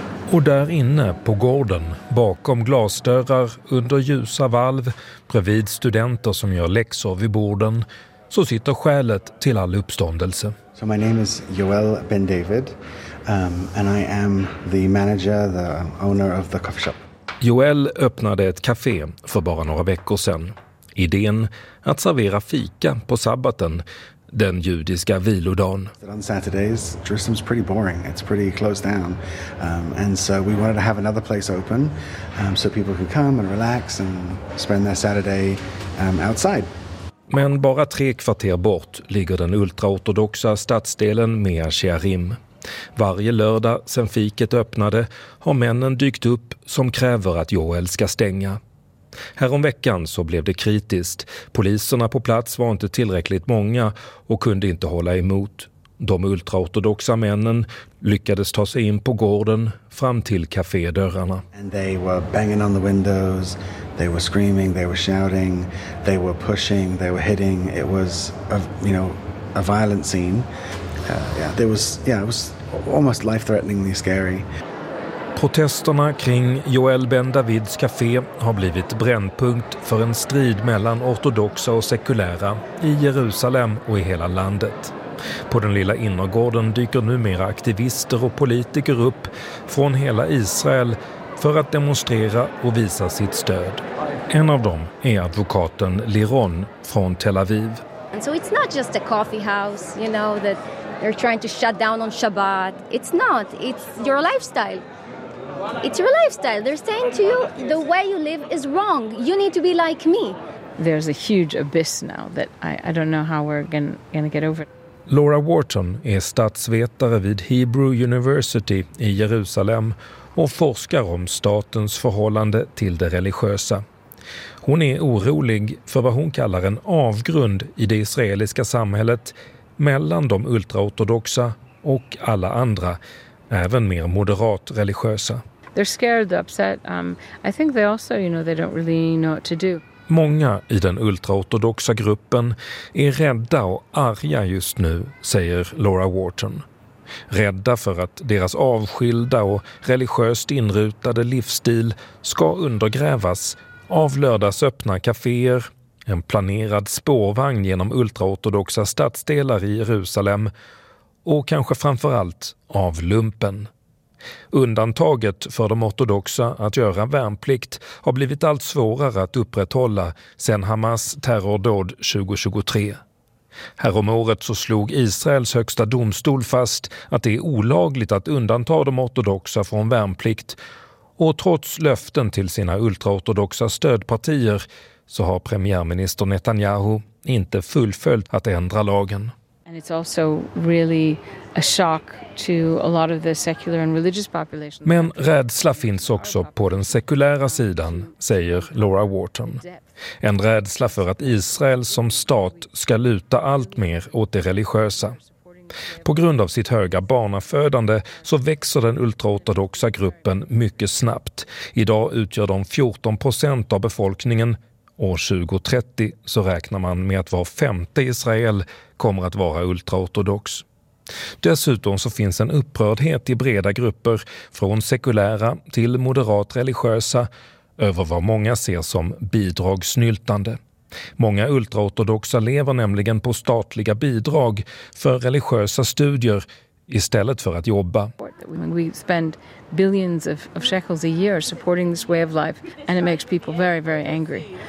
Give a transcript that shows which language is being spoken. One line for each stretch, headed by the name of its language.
Swedish: Och där inne på gården, bakom glasdörrar, under ljusa valv, bredvid studenter som gör läxor vid borden, så sitter skälet till all uppståndelse.
English: So my name is Yoel Ben David, and I am the manager, the owner of the coffee shop.
Swedish: Joel öppnade ett café för bara några veckor sedan. Idén att servera fika på sabbaten, den judiska vilodagen.
English: On Saturdays, Jerusalem's pretty boring. It's pretty closed down. And so we wanted to have another place open so people could come and relax and spend their Saturday outside.
Swedish: Men bara 3 kvarter bort ligger den ultraortodoxa stadsdelen Mea Shearim. Varje lördag sen fiket öppnade har männen dykt upp som kräver att Joel ska stänga. Härom veckan så blev det kritiskt. Poliserna på plats var inte tillräckligt många och kunde inte hålla emot. De ultraortodoxa männen lyckades ta sig in på gården fram till kafédörrarna.
English: And they were banging on the windows. They were screaming, they were shouting, they were pushing, they were hitting. It was a, you know, a violent scene. It was almost life-threateningly scary.
Swedish: Protesterna kring Joel Ben Davids café har blivit brännpunkt för en strid mellan ortodoxa och sekulära i Jerusalem och i hela landet. På den lilla innergården dyker numera aktivister och politiker upp från hela Israel för att demonstrera och visa sitt stöd. En av dem är advokaten Liron från Tel Aviv.
English: So it's not just a coffee house, you know, that they're trying to shut down on Shabbat. It's not. It's your lifestyle. It's your lifestyle. They're saying to you, the way you live is wrong. You need to be like me. There's a huge abyss now that I don't know how we're gonna get over.
Swedish: Laura Wharton är statsvetare vid Hebrew University i Jerusalem och forskar om statens förhållande till det religiösa. Hon är orolig för vad hon kallar en avgrund i det israeliska samhället mellan de ultraortodoxa och alla andra, även mer moderat religiösa.
English: They're scared, upset. I think they also, you know, they don't really know what to do.
Swedish: Många i den ultraortodoxa gruppen är rädda och arga just nu, säger Laura Wharton. Rädda för att deras avskilda och religiöst inrutade livsstil ska undergrävas av lördagsöppna kaféer, en planerad spårvagn genom ultraortodoxa stadsdelar i Jerusalem och kanske framförallt av lumpen. Undantaget för de ortodoxa att göra värnplikt har blivit allt svårare att upprätthålla sedan Hamas terrordåd 2023. Härom året så slog Israels högsta domstol fast att det är olagligt att undanta de ortodoxa från värnplikt, och trots löften till sina ultraortodoxa stödpartier så har premiärminister Netanyahu inte fullföljt att ändra lagen.
English: And it's also really a shock to a lot of the secular and religious population.
Swedish: Men rädsla finns också på den sekulära sidan, säger Laura Wharton. En rädsla för att Israel som stat ska luta allt mer åt det religiösa. På grund av sitt höga barnafödande så växer den ultraortodoxa gruppen mycket snabbt. Idag utgör de 14% av befolkningen. År 2030 så räknar man med att var femte Israel kommer att vara ultraortodox. Dessutom så finns en upprördhet i breda grupper från sekulära till moderat religiösa över vad många ser som bidragsnyltande. Många ultraortodoxa lever nämligen på statliga bidrag för religiösa studier istället för att jobba.
English: We spend billions of shekels a year supporting this way of life, and it makes people very, very angry.